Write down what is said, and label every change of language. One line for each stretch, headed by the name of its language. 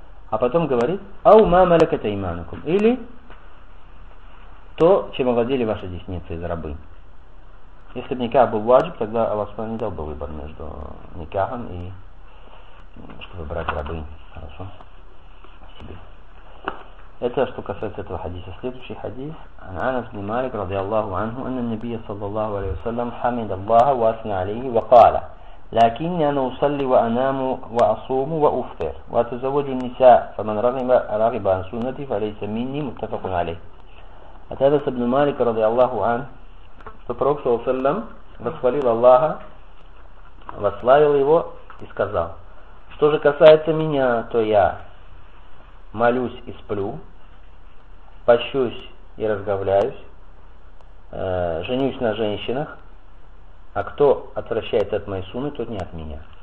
Russian: А потом говорит,
Arabic: ау ма малякат айманукум,
Russian: или то, чем овладели ваши десницы из рабы. Если бы никах был ваджиб, тогда Аллах Субхану не дал бы выбор между никахом и чтобы брать рабы. Хорошо. Себе. Это что касается этого хадиса. Следующий хадис.
Arabic: Анас бин Малик رضي الله عنه أن النبي صلى الله عليه وسلم حمد الله واثنى عليه وقال لكني أنا أصلي وأنام وأصوم وأفطر وأتزوج النساء فمن رغب عن سنتي فليس مني متفق عليه.
Russian: От Анаса бин Малика
Arabic: رضي الله عنه,
Russian: что Пророк
Arabic: صلى الله عليه وسلم
Russian: восхвалил Аллаха, восславил его и сказал, что же касается меня, то я молюсь и сплю, пощусь и разговляюсь, женюсь на женщинах, а кто отвращается от моей сунны, тот не от меня.